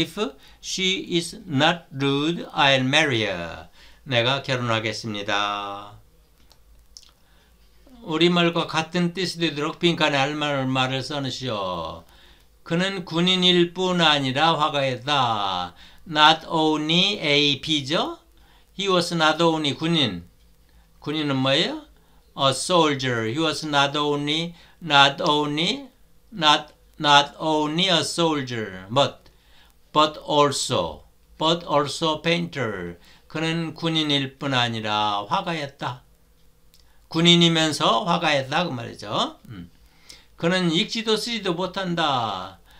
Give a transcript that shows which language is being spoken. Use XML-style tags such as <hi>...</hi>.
<en>If she is not rude, I'll marry her.</en> <ko>내가 결혼하겠습니다. 우리말과 같은 뜻이 되도록 빈칸에 알맞은 말을 써내시오. 그는 군인일 뿐 아니라 화가에다. Not only a B죠? He was not only 군인. 군인은 뭐예요? A soldier.</ko> <en>He was not only a soldier, but also painter.</en> <ko>그는 군인일 뿐 아니라 화가였다. 군인이면서 화가였다. 그 말이죠. 그는 읽지도 쓰지도 못한다.</ko>